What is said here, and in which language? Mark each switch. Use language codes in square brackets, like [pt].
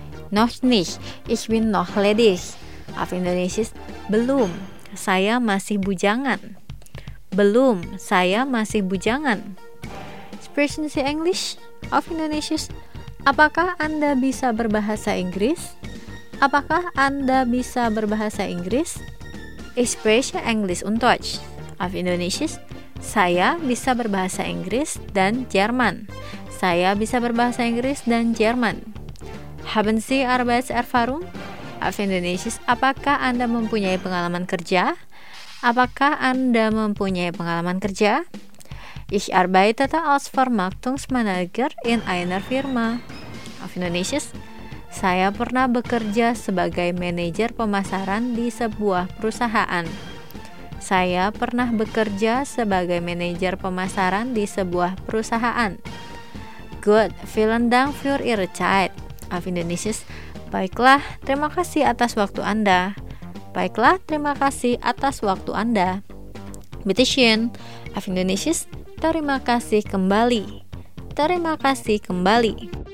[de] Noch nicht. Ich bin noch ledig. [en] Of Indonesia, [id] belum, saya masih bujangan. Belum, saya masih bujangan. [de] Sprechen Sie Englisch? [en] Of Indonesia. [id] Apakah Anda bisa berbahasa Inggris? Apakah Anda bisa berbahasa Inggris? [de] Ich spreche Englisch und Deutsch. [en] Of Indonesia. [id] Saya bisa berbahasa Inggris dan Jerman. Saya bisa berbahasa Inggris dan Jerman. [de] Haben Sie Arbeitserfahrung? [en] Of Indonesia, [id] apakah Anda mempunyai pengalaman kerja? Apakah Anda mempunyai pengalaman kerja? [de] Ich arbeite als Vermarktungsmanager in einer Firma. [en] Of Indonesia, [id] saya pernah bekerja sebagai manajer pemasaran di sebuah perusahaan. Saya pernah bekerja sebagai manajer pemasaran di sebuah perusahaan. [de] Good, vielen Dank für Ihre Zeit. [en] Of Indonesia, [id] baiklah, terima kasih atas waktu Anda. Baiklah, terima kasih atas waktu Anda. [de] Bitte schön, auf Indonesia. [id] Terima kasih kembali. Terima kasih kembali.